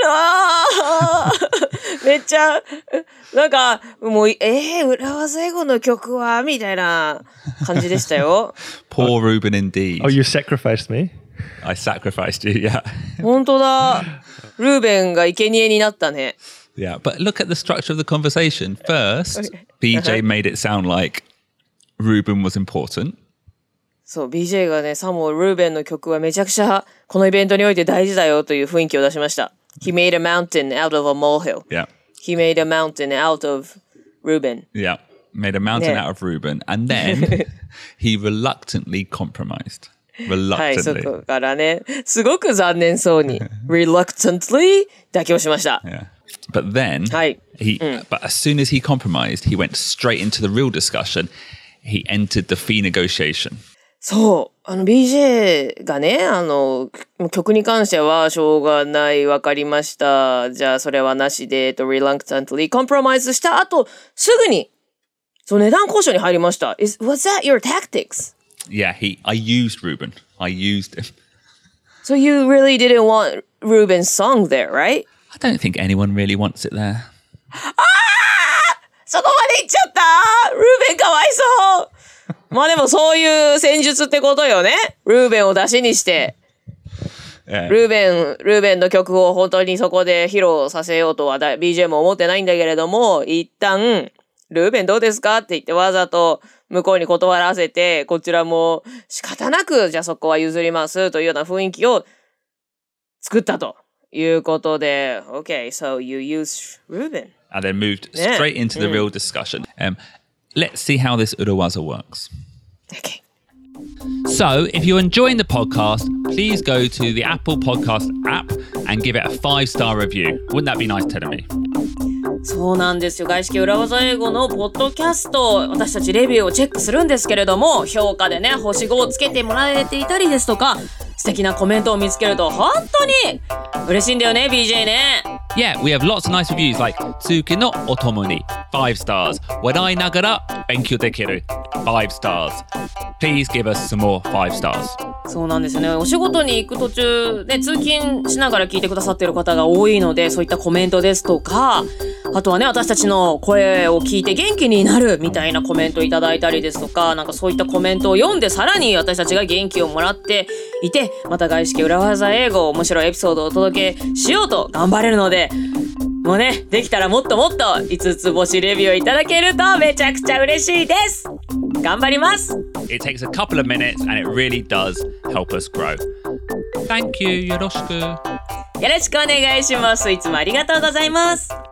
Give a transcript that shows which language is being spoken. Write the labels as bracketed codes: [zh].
[ja] あーめっちゃ、なんか、もう、裏和英語の曲はみたいな感じでしたよ。 [en] Poor Ruben indeed. Oh, you sacrificed me? I sacrificed you, yeah. [ja] 本当だ。ルーベンが生贄になったね。 [en] Yeah, but look at the structure of the conversation. First, BJ made it sound like Ruben was important. [ja] そう、BJ がね、サモ、ルーベンの曲はめちゃくちゃこのイベントにおいて大事だよという雰囲気を出しました。 [en] He made a mountain out of a molehill. Yeah. He made a mountain out of Ruben. Yeah. Made a mountain、ね、out of Ruben. And then, he reluctantly compromised. Reluctantly. [ja] はい、そこからね、すごく残念そうに。 Reluctantly 妥協しました。 [en] Yeah. But then,、はい、he,、うん、but as soon as he compromised, he went straight into the real discussion. He entered the fee negotiation. [ja] そう。あの、BJ がね、あの、曲に関しては、しょうがない、わかりました。じゃあ、それはなしで、と、 [en] reluctantly compromise [ja] した後、すぐに、そう、値段交渉に入りました。 [en] Is, was that your tactics? Yeah, he, I used Ruben. I used him. So you really didn't want Ruben's song there, right? I don't think anyone really wants it there. ああ! [ja] そこまで行っちゃった!ルーベンかわいそう! まあでもそういう戦術ってことよね。ルーベンを出しにして、 [en] yeah. [ja] ルーベンの曲を本当にそこで披露させようとは BJ も思ってないんだけれども、一旦ルーベンどうですかって言ってわざと向こうに断らせて、こちらも仕方なくじゃあそこは譲りますというような雰囲気を作ったということで、 [en] Okay, so you use Ruben. And then moved straight into the real discussion.、Yeah. Let's see how this Urawaza works. Okay. So, if you're enjoying the podcast, please go to the Apple Podcast app and give it a 5-star review. Wouldn't that be nice, Terumi? [ja] そうなんですよ。外資系Urawaza英語のポッドキャスト、私たちレビューをチェックするんですけれども、評価でね、星5をつけてもらえていたりですとか、素敵なコメントを見つけると本当に嬉しいんだよね、BJ ね。 [en] Yeah, we have lots of nice reviews like [ja] Tsuki no Otomo ni, [en] 5 stars. [ja] Wadai nagara benkyou dekiru, [en] 5 stars. Please give us some more 5 stars. [ja] そうなんですよね。お仕事に行く途中、ね、通勤しながら聞いてくださっている方が多いので、そういったコメントですとか、あとはね、私たちの声を聞いて元気になるみたいなコメントをいただいたりですとか、なんかそういったコメントを読んで、さらに私たちが元気をもらっていて、また外資系裏技英語を面白いエピソードをお届けしようと頑張れるので、もうね、できたらもっともっと5つ星レビューいただけるとめちゃくちゃ嬉しいです。頑張ります。 [en] It takes a couple of minutes and it really does help us grow. Thank you. [ja] よろしく。よろしくお願いします。いつもありがとうございます。